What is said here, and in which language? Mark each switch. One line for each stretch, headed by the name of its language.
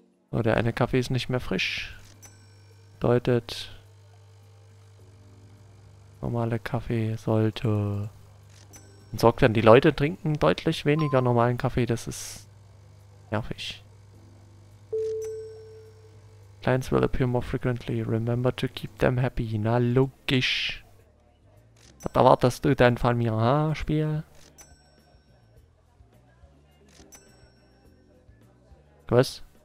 German: So, der eine Kaffee ist nicht mehr frisch. Bedeutet, normaler Kaffee sollte. Und sorgt dann, die Leute trinken deutlich weniger normalen Kaffee, das ist nervig.
English: Clients will appear more frequently. Remember to keep them happy.
German: Na logisch. Was erwartest du denn von mir, ha, Spiel? Was?